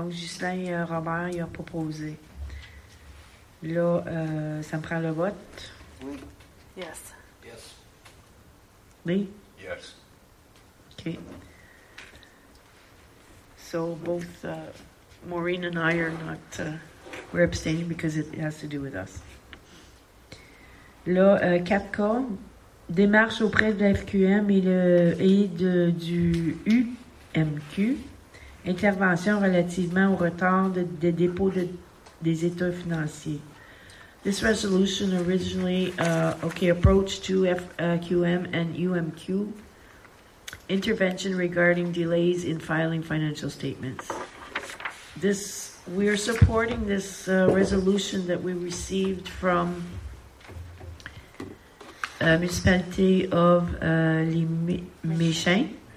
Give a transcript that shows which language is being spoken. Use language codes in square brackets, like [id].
[fr] Donc, Justin et Robert, il a proposé. Là, ça me prend le vote. Oui. [en] Yes. Yes. Lee? Yes. OK. So both Maureen and I are not, we're abstaining because it has to do with us. [fr] Là, CAPCA, démarche auprès de la FQM et du UMQ, intervention relativement au retard de dépôt des états financiers. [en] This resolution originally, approach to FQM and UMQ, intervention regarding delays in filing financial statements. This, we are supporting this resolution that we received from municipality of Les Méchins.